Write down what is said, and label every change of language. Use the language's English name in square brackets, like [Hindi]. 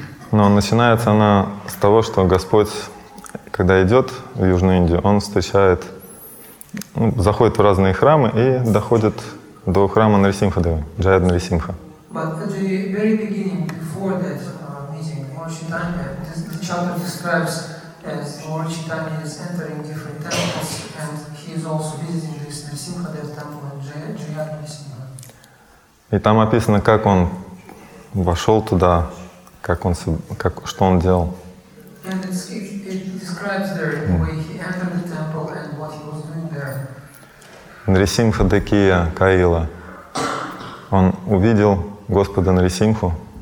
[Russian] Но начинается она с того, что Господь, когда идет в Южную Индию, Он встречает, заходит в разные храмы и доходит до храма Нарисимхадевы, Джаяд Нарисимха. [English] But at the very beginning, before that meeting, Lord Chaitanya, the chapter describes as Lord Chaitanya is entering different temples and he is also visiting this Narasimhadev temple in Jayad Narasimha. [Russian] И там описано, как он вошел туда, что он делал. [English] And it describes there the way he entered the temple and what he was doing there. [Russian] Нарисимхадекия Каила. Он увидел Господа Нарисимху.